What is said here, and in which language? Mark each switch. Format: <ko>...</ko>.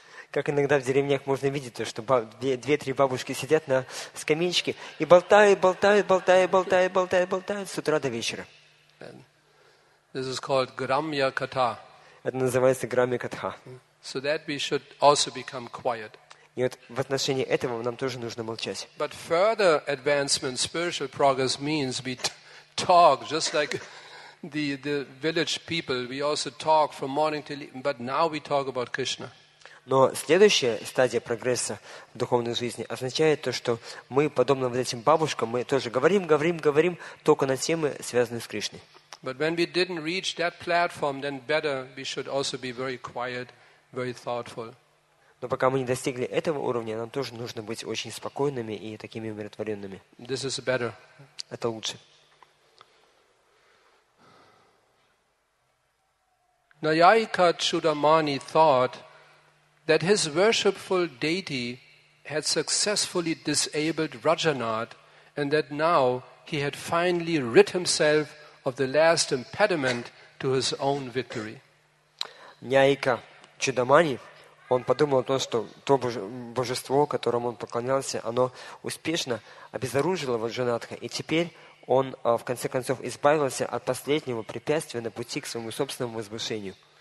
<ru>Как иногда в деревнях можно видеть то, что две-три бабушки сидят на скамеечке и болтают с утра до вечера.</ru> <en>This is called Gramya Katha.</en> <ru>Это называется Грамья Катха.</ru> <en>So that we should also become quiet.</en> <ru>И вот в отношении этого нам тоже нужно молчать.</ru> <en>But further advancement, spiritual progress means we talk just like the village people. We also talk from morning till evening, but now we talk about Krishna.</en> <ru>Но следующая стадия прогресса в духовной жизни означает то, что мы, подобно вот этим бабушкам, мы тоже говорим только на темы, связанные с Кришной.</ru> <en>But when we didn't reach that platform, then better we should also be very quiet, very thoughtful.</en> <ru>Но пока мы не достигли этого уровня, нам тоже нужно быть очень спокойными и такими умиротворенными.</ru> <en>This is better.</en> <ru>Это лучше.</ru> <en>Nayayika Chudamani thought that his worshipful deity had successfully disabled Rajanath and that now he had finally rid himself of the last impediment to his own victory.</en> <ru>Nayayika Chudamani, он подумал о том, что то божество, которому он поклонялся, оно успешно обезоружило Раджанатха, и теперь он, в конце концов, избавился от последнего препятствия на пути к своему собственному возвышению.</ru>